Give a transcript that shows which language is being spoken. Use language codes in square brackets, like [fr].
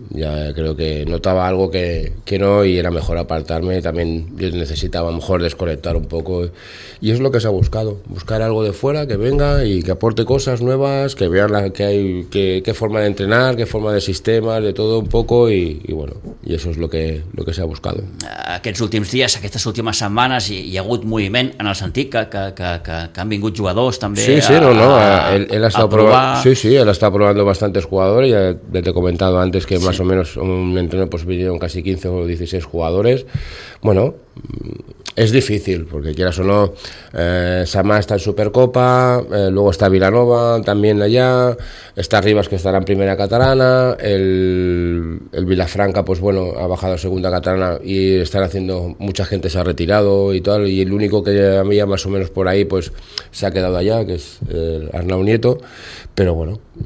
[es] Ya creo que notaba algo que no y era mejor apartarme. También yo necesitaba a lo mejor desconectar un poco. Y es lo que se ha buscado, buscar algo de fuera que venga y que aporte cosas nuevas, que vean qué forma de entrenar, qué forma de sistemas, de todo un poco. Y bueno, y eso es lo que se ha buscado. [ca] Aquests últims dies, aquestes últimes setmanes, hi ha hagut moviment en el sentit que han vingut jugadors també. [es] Sí, sí. No, él ha estado probando. Sí, sí, él ha estado probando bastantes jugadores. Ya te he comentado antes que sí. Más o menos un entreno pues vinieron casi 15 o 16 jugadores. Bueno, es difícil, porque quieras o no, Samá está en Supercopa, luego está Vilanova también allá, está Rivas que estará en Primera Catalana, el Vilafranca, pues bueno, ha bajado a Segunda Catalana y están haciendo, mucha gente se ha retirado y tal, y el único que había más o menos por ahí, pues se ha quedado allá, que es Arnau Nieto, pero bueno,